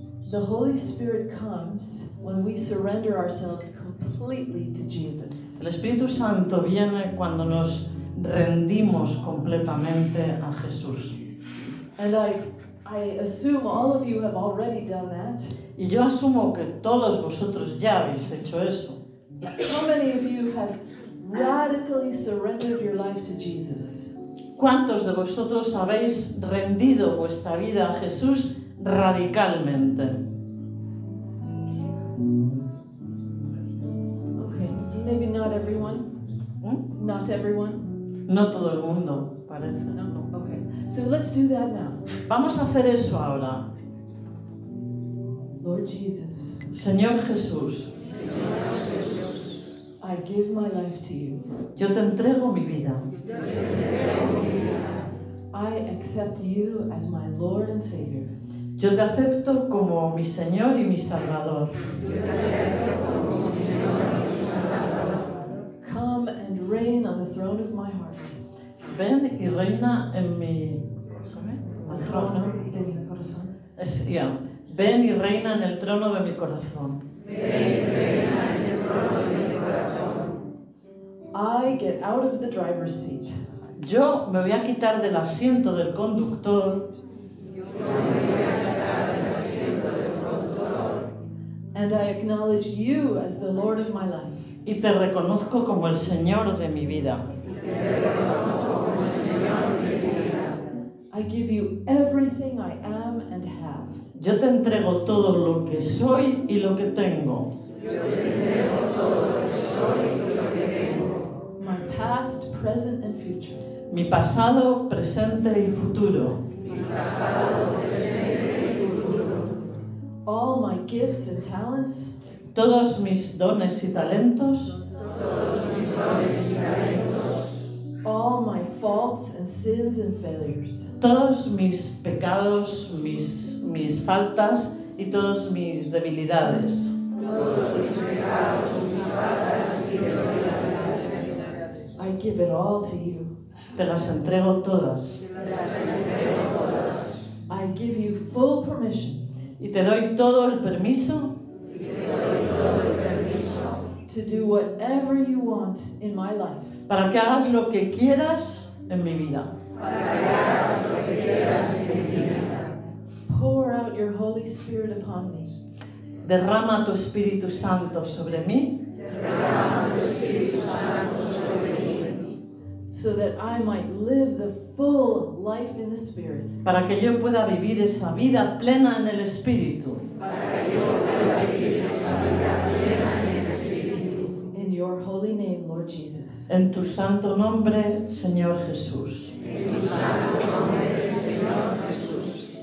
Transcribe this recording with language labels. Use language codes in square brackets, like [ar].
[en] The Holy Spirit comes when we surrender ourselves completely to Jesus. [es] El Espíritu Santo viene cuando nos rendimos completamente a Jesús. [en] And I assume all of you have already done that. [es] Y yo asumo que todos vosotros ya habéis hecho eso. [en] How many of you have radically surrendered your life to Jesus? [es] ¿Cuántos de vosotros habéis rendido vuestra vida a Jesús radicalmente? [en] Okay, maybe not everyone. ¿Mm? Not everyone. [es] No todo el mundo, parece. [en] No. So let's do that now. [es] Vamos a hacer eso ahora. [en] Lord Jesus. [es] Señor Jesús. Señor Jesús. [en] I give my life to you. [es] Yo te entrego mi vida. [en] I accept you as my Lord and Savior. [es] Yo te acepto como mi Señor y mi Salvador. [en] Come and reign on the throne of my heart. [es] Ven y reina en mi trono de mi corazón. Ven y reina en el trono de mi corazón. [en] I get out of the driver's seat. [es] Yo me voy a quitar del asiento del conductor. [en] And I acknowledge you as the Lord of my life. [es] Y te reconozco como el Señor de mi vida. [en] I give you everything I am and have. [es] Yo te entrego todo lo que soy y lo que tengo. [en] My past, present and future. [es] Mi pasado, presente y futuro. [en] All my gifts and talents. [es] Todos mis dones y talentos. [en] All my faults and sins and failures. [es] Todos mis pecados, mis faltas y todos mis debilidades. Todos mis pecados, mis faltas y debilidades. [en] I give it all to you. [es] Te las entrego todas. [en] I give you full permission. [es] Y te doy todo el permiso. [en] To do whatever you want in my life. [es] Para que hagas lo que quieras en mi vida. [en] Pour out your Holy Spirit upon me. [es] Derrama tu Espíritu Santo sobre mí. Derrama tu Espíritu Santo sobre mí. [en] So that I might live the full life in the Spirit. [es] Para que yo pueda vivir esa vida plena en el Espíritu. Para que yo pueda vivir esa vida plena en el Espíritu. [en] In your holy name, Lord Jesus. [es] En tu santo nombre, Señor Jesús. En tu santo nombre, Señor Jesús.